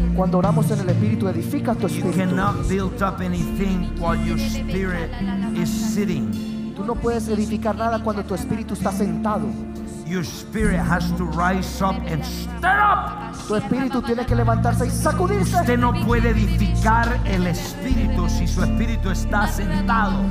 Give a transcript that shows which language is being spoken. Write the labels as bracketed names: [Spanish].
[Spanish] Cuando oramos en el Espíritu, edifica tu espíritu. [English] You cannot build up anything while your spirit is sitting. [Spanish] Tú no puedes edificar nada cuando tu espíritu está sentado. [English] Your spirit has to rise up and stir up. [Spanish] Tu espíritu tiene que levantarse y sacudirse. Usted no puede edificar el espíritu si su espíritu está sentado.